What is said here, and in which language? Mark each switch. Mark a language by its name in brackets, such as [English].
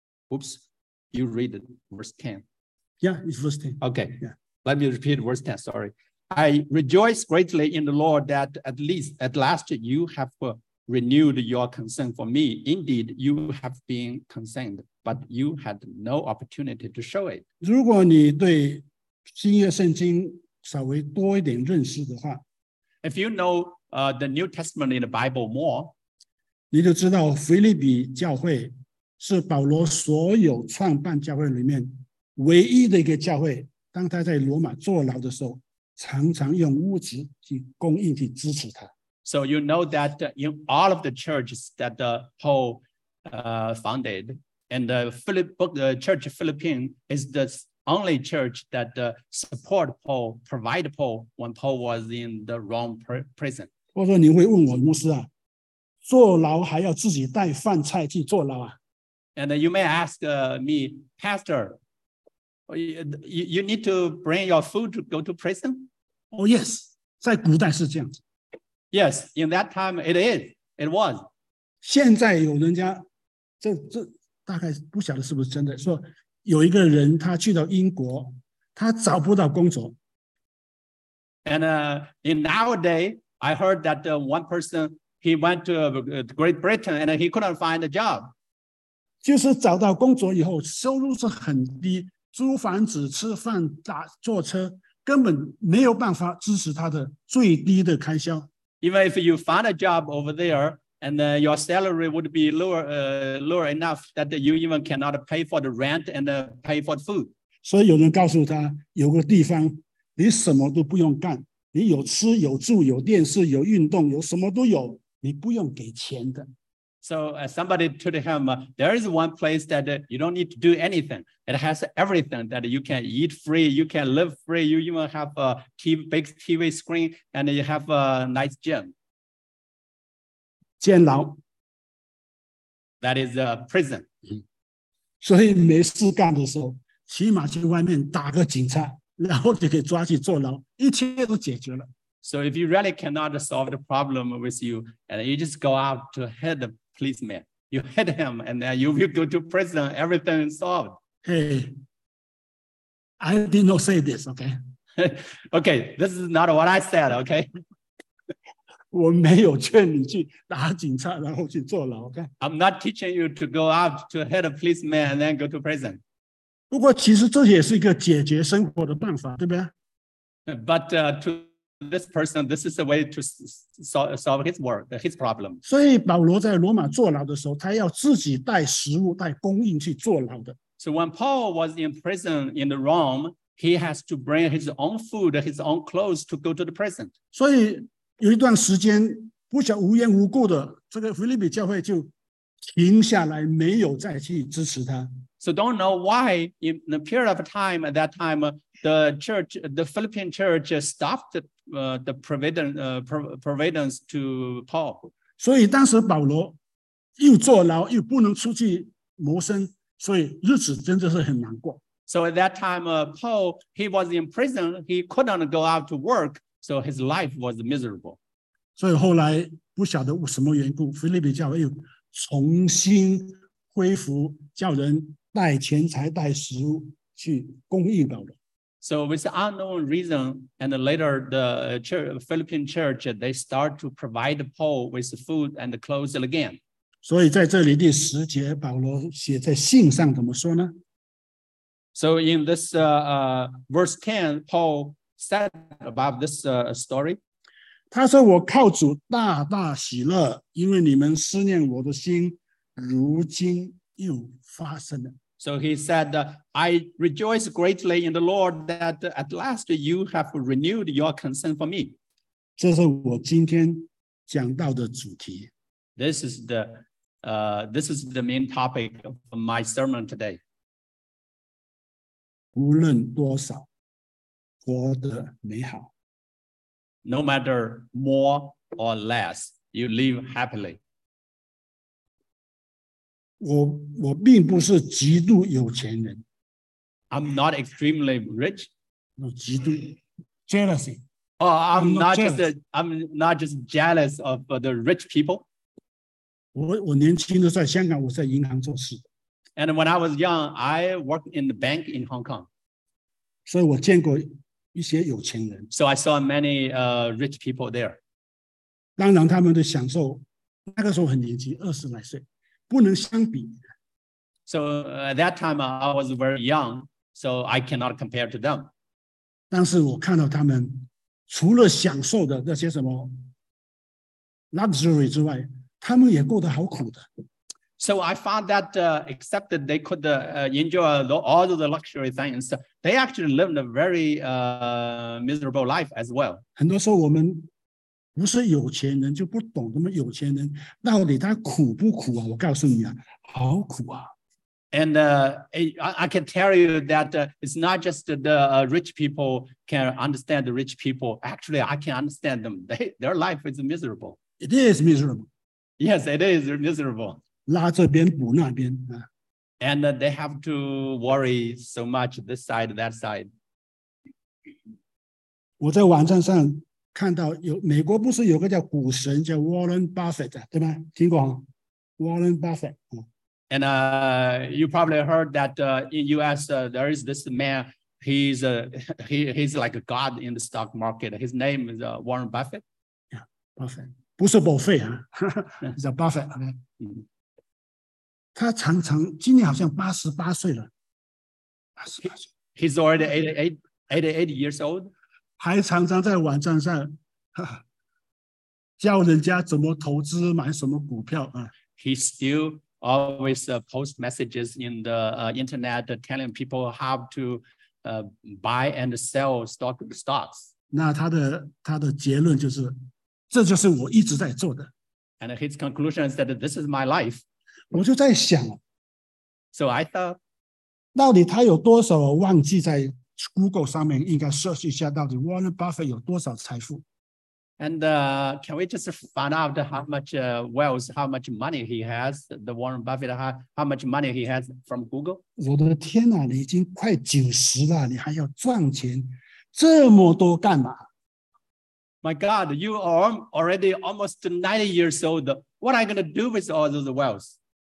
[English] Oops, you read it, verse 10. Yeah, it's verse 10. Okay, yeah. Let me repeat verse 10, sorry. I rejoice greatly in the Lord that at last you have renewed your concern for me. Indeed, you have been concerned, but you had no opportunity to show it. [Chinese] 如果你对新约圣经稍微多一点认识的话， [English] If you know the New Testament in the Bible more, [Chinese] 你就知道腓立比教会是保罗所有创办教会里面唯一的一个教会，当他在罗马坐牢的时候常常用物质去供应去支持他。 [English] So you know that in all of the churches that Paul founded, and the Church of Philippines is the only church that support Paul, provide Paul when Paul was in the Rome prison. [Chinese] 我说你会问我牧师啊，坐牢还要自己带饭菜去坐牢啊？ [English] And you may ask me, Pastor, you need to bring your food to go to prison? Oh yes, [Chinese] 在古代是这样子。 [English] Yes, in that time it is. It was. [Chinese] 现在有人家，这大概不晓得是不是真的，说有一个人他去到英国，他找不到工作。 [English] And in nowadays, I heard that one person, he went to Great Britain and he couldn't find a job. [Chinese] 就是找到工作以后，收入是很低，租房子、吃饭、坐车，根本没有办法支持他的最低的开销。 [English] Even if you find a job over there, and your salary would be lower enough that you even cannot pay for the rent and pay for the food. [Chinese] 所以有人告诉他，有个地方，你什么都不用干，你有吃有住有电视有运动，有什么都有，你不用给钱的。 [English] So somebody told him, there is one place that you don't need to do anything. It has everything that you can eat free, you can live free, you even have a TV, big TV screen, and you have a nice gym. [Chinese] 监牢。 [English] That is a prison. [Chinese] 所以没事干的时候，起码去外面打个警察，然后就可以抓去坐牢，一切都解决了。 [English] So if you really cannot solve the problem with you, and you just go out to hit the policeman, you hit him, and then you will go to prison, everything is solved. Hey, I did not say this, okay? Okay, this is not what I said, okay? [Chinese] 我没有劝你去打警察然后去坐牢, okay? [English] I'm not teaching you to go out to hit a policeman and then go to prison. [Chinese] 不过其实这也是一个解决生活的办法, 对不对? [English] But to... This person, this is a way to solve his work, his problem. [Chinese] 所以保罗在罗马坐牢的时候，他要自己带食物、带供应去坐牢的。 [English] So when Paul was in prison in Rome, he has to bring his own food, his own clothes to go to the prison. [Chinese] 所以有一段时间，不想无缘无故的，这个腓立比教会就停下来，没有再去支持他。 [English] So don't know why in the period of time at that time the church, the Philippian church stopped the providence to Paul. [Chinese] 所以当时保罗又坐牢又不能出去谋生，所以日子真的是很难过。 [English] So at that time Paul, he was in prison, he couldn't go out to work, so his life was miserable. [Chinese] 所以后来不晓得什么缘故，腓立比教会又重新恢复叫人带钱财带食物去供应保罗。 [English] So with unknown reason, and later the church, Philippine church, they start to provide Paul with food and clothes again. [Chinese] 所以在这里第十节，保罗写在信上怎么说呢？ [English] So in this verse 10, Paul said about this story. [Chinese] 他说我靠主大大喜乐，因为你们思念我的心，如今又发生了。 [English] So he said, I rejoice greatly in the Lord that at last you have renewed your concern for me. [Chinese] 这是我今天讲到的主题。 [English] This is the main topic of my sermon today. [Chinese] 无论多少，活得美好。 [English] No matter more or less, you live happily. [Chinese] 我并不是极度有钱人。 [English] I'm not extremely rich. No, 极度 jealousy. Oh, I'm not just jealous of the rich people. [Chinese] 我年轻的在香港，我在银行做事。 [English] And when I was young, I worked in the bank in Hong Kong. [Chinese] 所以我见过一些有钱人。 [English] So I saw many rich people there. [Chinese] 当然他们的享受，那个时候很年轻，二十来岁。不能相比。 [English] So at that time I was very young, so I cannot compare to them. [Chinese] 但是我看到他们除了享受的那些什么 luxury 之外，他们也过得好苦的。 [English] So I found that except that they could enjoy all of the luxury things, they actually lived a very miserable life as well. [Chinese] 很多时候我们不是有钱人就不懂那么有钱人到底他苦不苦啊？我告诉你啊，好苦啊！ [English] And I can tell you that it's not just the rich people can understand the rich people. Actually, I can understand them. Their life is miserable. It is miserable. Yes, it is miserable. [Chinese] 拉这边补那边啊。 [English] And they have to worry so much this side, that side. [Chinese] 我在网站上。看到有美国不是有个叫股神叫 Warren Buffett 对吗？听过吗 ？Warren Buffett、 [English] And you probably heard that in U.S. There is this man. He's like a god in the stock market. His name is Warren Buffett. [Chinese] Yeah, Buffett 不是宝贝啊，是Buffett。Okay? 他常常今年好像88岁了。 [English] He's already 88 years old. [Chinese] 还常常在网站上教人家怎么投资买什么股票、 [English] He still always post messages in the internet telling people how to buy and sell stocks. [Chinese] 那他的结论就是，这就是我一直在做的。 [English] And his conclusion is that this is my life. [Chinese] 我就在想 [English] ，So I thought， [Chinese] 到底他有多少忘记在。Google 上面应该 search 一下到底 Warren Buffett 有多少财富。 [English] And can we just find out how much wealth, how much money he has, the Warren Buffett, how much money he has from Google? [Chinese] 我的天哪，你已经快90了，你还要赚钱这么多干嘛？ [English] My God, you are already almost 90 years old. What are you going to do with all those wealth?